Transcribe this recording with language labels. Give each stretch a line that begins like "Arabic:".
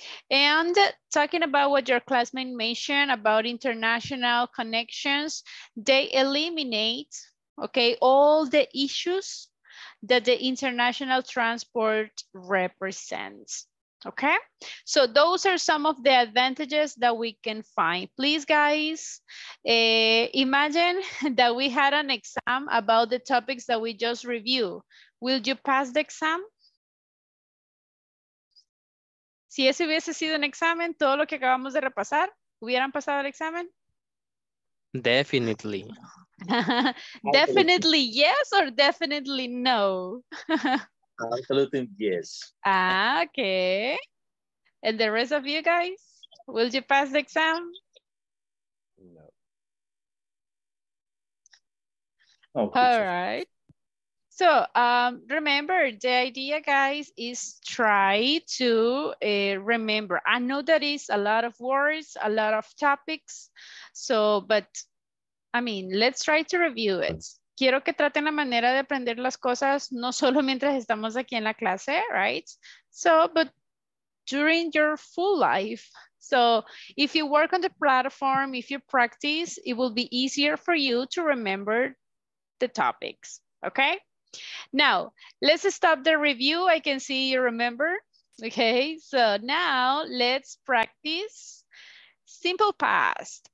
English: And talking about what your classmate mentioned about international connections, they eliminate, okay, all the issues that the international transport represents. Okay, so those are some of the advantages that we can find. Please, guys, imagine that we had an exam about the topics that we just reviewed. Will you pass the exam?
Spanish: Si ese hubiese sido un examen, todo lo que acabamos de repasar, ¿hubieran pasado el examen?
English: Definitely. Definitely yes or definitely no? Absolutely yes. Ah, okay. And the rest of you guys, will you pass the exam? No. Oh, all right. So remember, the idea, guys, is try to remember. I know that is a lot of words, a lot of topics. So, but I mean, let's try to review it.
Spanish: Quiero que traten la manera de aprender las cosas, no solo mientras estamos aquí en la clase,
English: right? So, but during your full life. So if you work on the platform, if you practice, it will be easier for you to remember the topics, okay? Now, let's stop the review. I can see you remember, okay? So now let's practice simple past.